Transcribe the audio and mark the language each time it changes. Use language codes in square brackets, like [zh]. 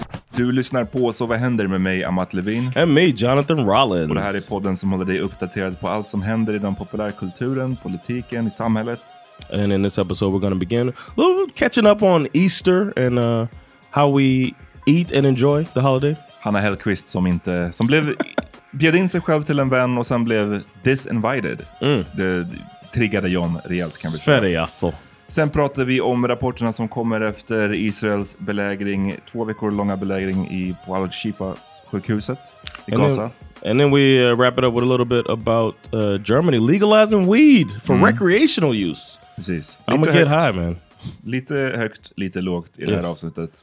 [sv] Du lyssnar på Så vad händer med mig, Amat Levin. [en] And me, Jonathan Rollins. [sv] Och det här är podden som håller dig uppdaterad på allt som händer i den populärkulturen, politiken, i samhället. [en] And in this episode we're going to begin a little catching up on Easter and how we eat and enjoy the holiday. [sv] Hanna Hellquist som blev bjöd in sig själv till en vän och sen blev disinvited. Mm. Det triggade John rejält, kan vi säga. Sverige alltså. Sen pratar vi om rapporterna som kommer efter Israels belägring, 2 veckor långa belägring i Al Shifa sjukhuset i Gaza. [en] And then we wrap it up with a little bit about Germany legalizing weed for recreational use. [sv] Precis. [en] I'm gonna get high, man. [sv] Lite högt, lite lågt i det här avsnittet.